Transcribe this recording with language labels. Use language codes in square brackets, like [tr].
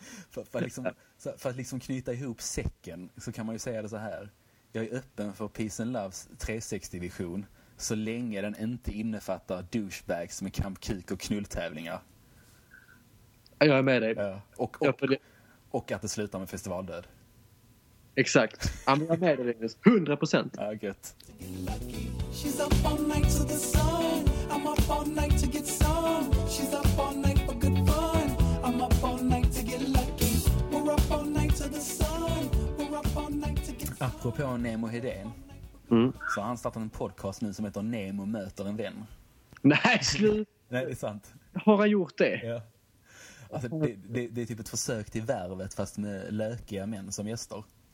[sv] för att liksom knyta ihop säcken, så kan man ju säga det så här: jag är öppen för Peace and Loves 360-vision så länge den inte innefattar douchebags med Camp Kuk och knulltävlingar. Jag är med dig. Och att det slutar med festivaldöd. Exakt. Jag är med dig, 100%. Ja, gött. [en] She's up all night to the sun. I'm up all night to get some. She's up all night for good fun. I'm up all night to get lucky. We're up all night to the sun. We're up all night to get some. [sv] Apropå Nemo Hedén, så har han startat en podcast nu som heter Nemo möter en vän. Nej, slut. Nej, det är sant. Har han gjort det? Ja. Alltså, det är typ ett försök till Värvet fast med lökiga män som gäster.